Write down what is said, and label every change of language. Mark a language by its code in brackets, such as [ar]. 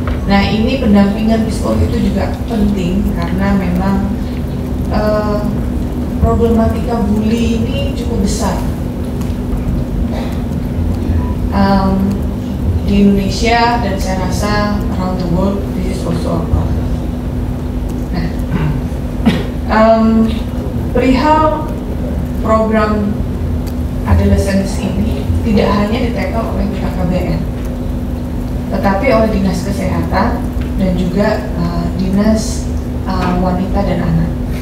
[id] Nah, ini pendampingan psikolog itu juga penting karena memang problematika bully ini cukup besar. Di Indonesia dan saya rasa [en] around the world, this is also a problem. [id] Perihal program adolescence ini tidak hanya ditekel oleh KKBN, tetapi oleh Dinas Kesehatan dan juga Dinas Wanita dan Anak.